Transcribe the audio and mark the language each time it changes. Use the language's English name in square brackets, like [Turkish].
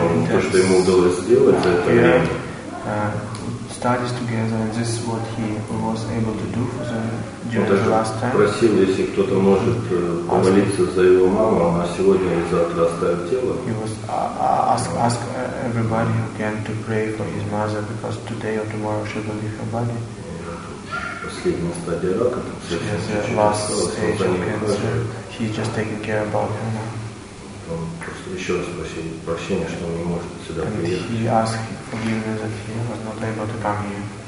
[Russian] То, что ему удалось сделать за это время. [English] Studies together, and this is what he was able to do for the during the last time. [Russian] Просил, если кто-то может помолиться за его маму, она сегодня или завтра оставит тело. [English] He was ask everybody who can to pray for his mother because today or tomorrow she will leave her body. [Russian] Последняя стадия рака. [English] She has the last stage of cancer. He's just taking care about her now. [Russian] Еще раз просил прощения, что он не может сюда [English] and [Russian] приехать. [English] He asked forgiveness that he was not able to come here.